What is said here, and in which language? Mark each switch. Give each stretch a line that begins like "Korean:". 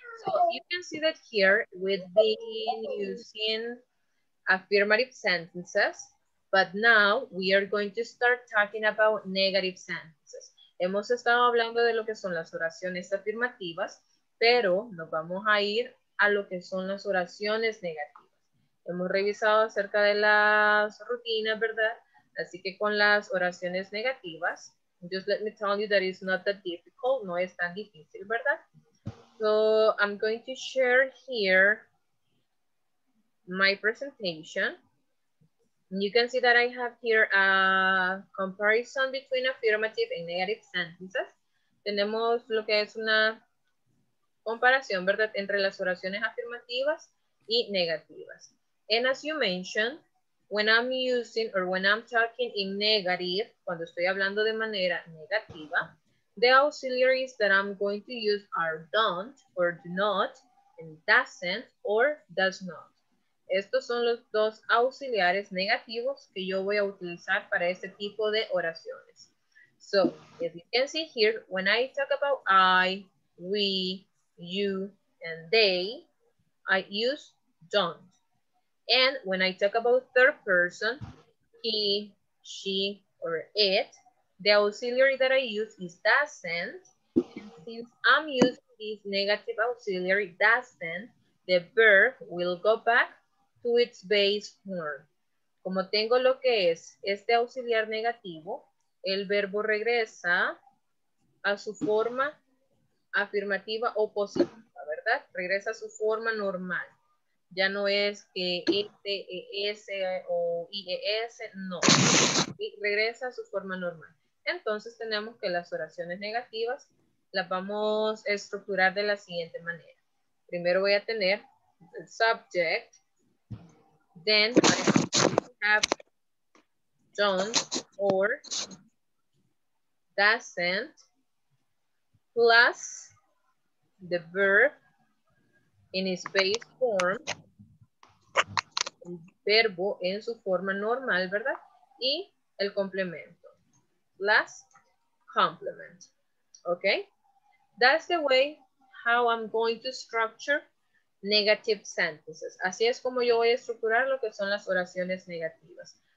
English: So you can see that here we've been using affirmative sentences, but now we are going to start talking about negative sentences.
Spanish: Hemos estado hablando de lo que son las oraciones afirmativas, pero nos vamos a ir a lo que son las oraciones negativas. Hemos revisado acerca de las rutinas, ¿verdad? Así que con las oraciones negativas,
English: just let me tell you that it's not that difficult,
Spanish: no es tan difícil, ¿verdad?
English: So I'm going to share here my presentation. You can see that I have here a comparison between affirmative and negative sentences.
Spanish: Tenemos lo que es una comparación, ¿verdad? Entre las oraciones afirmativas y negativas.
English: And as you mentioned, when I'm using or when I'm talking in negative,
Spanish: cuando estoy hablando de manera negativa,
English: the auxiliaries that I'm going to use are don't or do not and doesn't or does not.
Spanish: Estos son los dos auxiliares negativos que yo voy a utilizar para este tipo de oraciones.
English: So, as you can see here, when I talk about I, we, you, and they, I use don't. And when I talk about third person, he, she, or it, the auxiliary that I use is doesn't. And since I'm using this negative auxiliary, doesn't, the verb will go back to its base form.
Spanish: Como tengo lo que es este auxiliar negativo, el verbo regresa a su forma afirmativa o positiva, ¿verdad? Regresa a su forma normal. Ya no es que este, es o ies, no. Y regresa a su forma normal. Entonces tenemos que las oraciones negativas las vamos a estructurar de la siguiente manera. Primero voy a tener el subject.
English: Then I have don't or doesn't plus the verb in its base form,
Spanish: el verbo en su forma normal, ¿verdad? Y el complemento,
English: plus complement, okay? That's the way how I'm going to structure negative sentences.
Spanish: Así es como yo voy a estructurar lo que son las oraciones negativas.